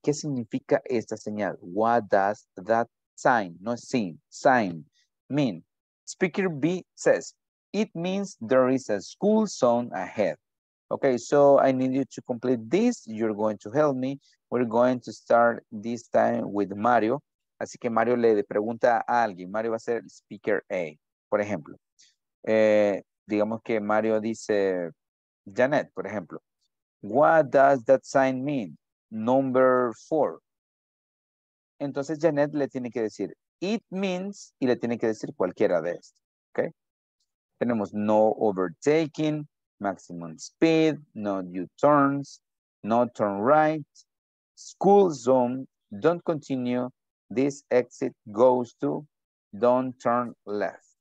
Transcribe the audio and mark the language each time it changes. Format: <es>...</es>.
<es>¿Qué significa esta señal?</es> <en>What does that sign, sign mean? Speaker B says, it means there is a school zone ahead. Okay, so I need you to complete this. You're going to help me. We're going to start this time with Mario.</en> <es>Así que Mario le pregunta a alguien. Mario va a ser speaker A, por ejemplo. Digamos que Mario dice, Janet, por ejemplo.</es> <en>What does that sign mean? Number 4.</en> <es>Entonces Janet le tiene que decir,</es> <en>it means,</en> <es>y le tiene que decir cualquiera de esto.</es> <en>Okay? Tenemos no overtaking, maximum speed, no U-turns, no turn right, school zone, don't continue, this exit goes to, don't turn left.</en>